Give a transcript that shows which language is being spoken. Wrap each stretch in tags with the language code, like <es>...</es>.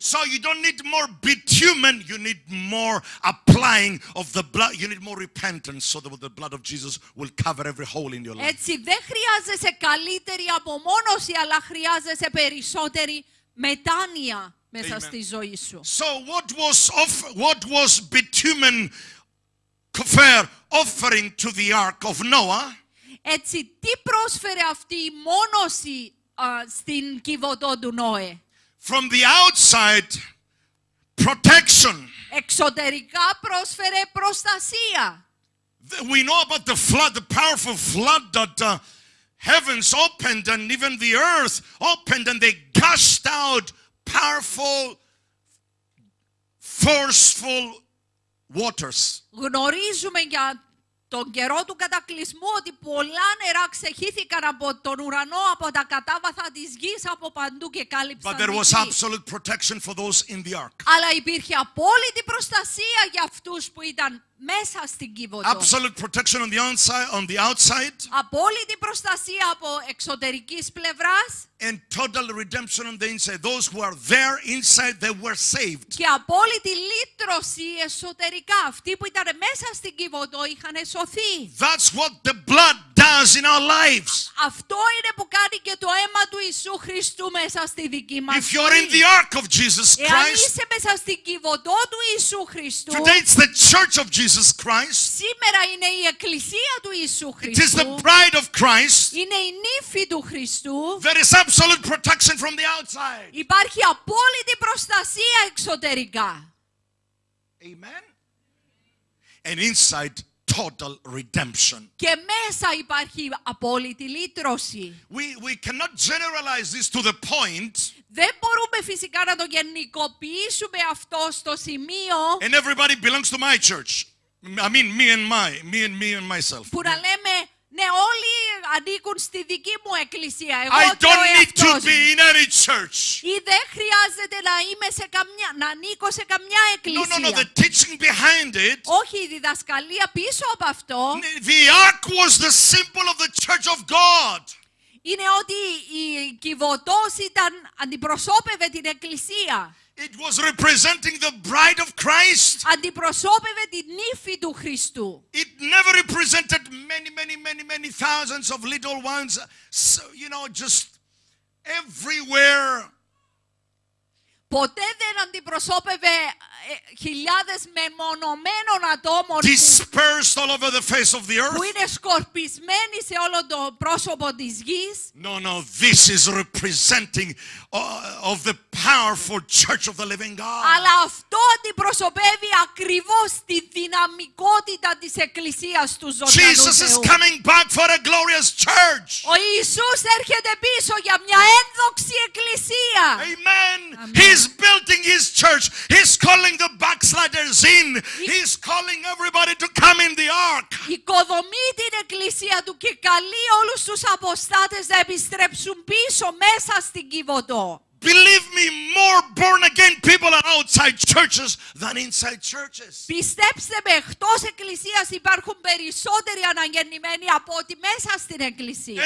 <en>So you don't need more bitumen, you need more applying of the blood, you need more repentance so that the blood of Jesus will cover every hole in your life.</en> <el>Έτσι δεν χρειάζεσαι καλύτερη απομόνωση, αλλά χρειάζεσαι περισσότερη μετάνοια μέσα στη ζωή σου.</el> <en>So what was bitumen kofer offering to the ark of Noah?</en> <el>Έτσι, τι πρόσφερε αυτή η μόνωση στην κυβωτό του Νόε?</el> <en>From the outside, protection.</en> <el>Εξωτερικά πρόσφερε προστασία.</el> <en>We know about the flood, the powerful flood that heavens opened and even the earth opened and they gushed out powerful, forceful waters.</en> <el>Γνωρίζουμε για τον καιρό του κατακλυσμού ότι πολλά νερά ξεχύθηκαν από τον ουρανό, από τα κατάβαθα της γης, από παντού και κάλυψαν.</el> <en>But there was absolute protection for those in the ark.</en> <el>Αλλά υπήρχε απόλυτη προστασία για αυτούς που ήταν μέσα στην κύβωτο.</el> <en>Absolute protection on the outside, on the outside.</en> <el>Απόλυτη προστασία από εξωτερικής πλευράς.</el> <en>And total redemption on the inside. Those who are there inside, they were saved.</en> <el>Και απόλυτη λύτρωση εσωτερικά. Αυτοί που ήταν μέσα στην κύβωτο είχαν σωθεί.</el> <en>That's what the blood does in our lives.</en> <el>Αυτό είναι που κάνει και το αίμα του Ιησού Χριστού μέσα στη δική μας.</el> <en>If you're in the ark of Jesus Christ.</en> <el>Εάν είσαι μέσα στην κύβωτο του Ιησού Χριστού.</el> <en>Today it's the church of Jesus Christ.</en> <el>Σήμερα είναι η εκκλησία του Ιησού Χριστού.</el> <en>It is the bride of Christ.</en> <el>Είναι η νύφη του Χριστού.</el> <en>There is absolute protection from the outside.</en> <el>Υπάρχει απόλυτη προστασία εξωτερικά.</el> <en>Amen. And inside, total redemption.</en> <el>Και μέσα υπάρχει απόλυτη λύτρωση.</el> <en>We cannot generalize this to the point.</en> <el>Δεν μπορούμε φυσικά να το γενικοποιήσουμε αυτό στο σημείο.</el> <en>And everybody belongs to my church. I mean, me and myself.</en> <el>Που να λέμε, ναι, όλοι ανήκουν στη δική μου εκκλησία. Εγώ</el> <en>I don't need to be in any church.</en> <el>Ή δεν χρειάζεται να είμαι σε καμιά, να ανήκω σε καμιά εκκλησία.</el> <en>No, the teaching behind it.</en> <el>Όχι, η διδασκαλία πίσω από αυτό.</el> <en>The ark was the symbol of the church of God.</en> <el>Είναι ότι η κυβωτός ήταν αντιπροσώπευε την εκκλησία.</el> <en>It was representing the bride of Christ.</en> <el>Αντιπροσώπευε την νύφη του Χριστού.</el> <en>It never represented many thousands of little ones, so, you know, just everywhere.</en> <el>Ποτέ δεν αντιπροσώπευε χιλιάδες μεμονωμένων ατόμων</el> <en>dispersed all over the face of the earth.</en> <el>Που είναι σκορπισμένοι σε όλο το πρόσωπο της γης.</el> <en>No, this is representing of the powerful church of the living God.</en> <el>Αλλά αυτό αντιπροσωπεύει ακριβώς τη δυναμικότητα της εκκλησίας του ζωντανού Θεού.</el> <en>Jesus is coming back for a glorious church.</en> <el>Ο Ιησούς έρχεται πίσω για μια ένδοξη εκκλησία.</el> <en>Amen. He's building his church. He's calling the backsliders in. He's calling everybody to come in the ark.</en> <el>Οικοδομεί την εκκλησία του και καλεί όλους τους αποστάτες να επιστρέψουν πίσω μέσα στην κύβωτο.</el> <en>Believe me, more born again people are outside churches than inside churches.</en> <el>Πιστέψτε με, εκτός εκκλησίας υπάρχουν περισσότεροι αναγεννημένοι από ότι μέσα στην εκκλησία.</el>